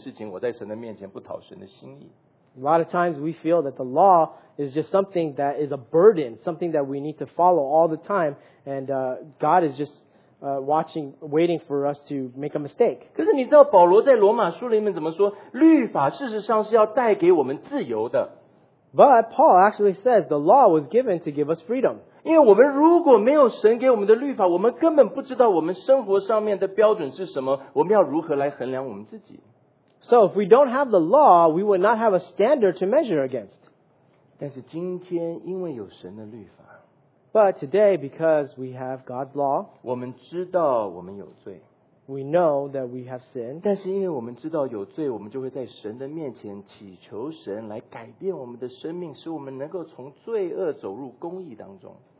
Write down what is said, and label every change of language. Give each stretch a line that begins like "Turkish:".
Chinese: 很多时候我们觉得圣经里面所讲的神的这些律法好像枷锁，好像重担，我们要背得很辛苦的去过，天天就在想我是不是又做错一件事情，还有什么事情我在神的面前不讨神的心意。
English: A lot of times we feel that the law is just something that is a burden, something that we need to follow all the time, and God is just watching, waiting for us to make a mistake.
Chinese: 可是你知道保罗在罗马书里面怎么说?律法事实上是要带给我们自由的。
English: But Paul actually says the law was given to give us freedom.
Chinese: 因为我们如果没有神给我们的律法, 我们根本不知道我们生活上面的标准是什么, 我们要如何来衡量我们自己。
English: So if we don't have the law, we would not have a standard to measure against.
Chinese: 但是今天因为有神的律法,
English: But today, because we have God's law,
Chinese: 我们知道我们有罪,
English: we know that we have sinned.
Chinese: 但是因为我们知道有罪, 我们就会在神的面前祈求神来改变我们的生命, 使我们能够从罪恶走入公义当中。